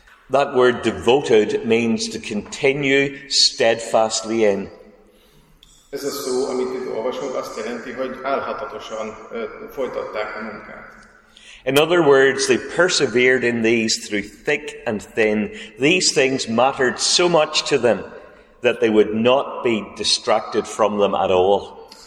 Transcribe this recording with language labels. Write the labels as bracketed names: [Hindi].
[English] That word devoted means to continue steadfastly in. [Hungarian] Ez a szó, amit itt olvasunk, azt jelenti, hogy álhatatosan folytatták a munkát. [English] In other words, they persevered in these through thick and thin. These things mattered so much to them that they would not be distracted from them at all.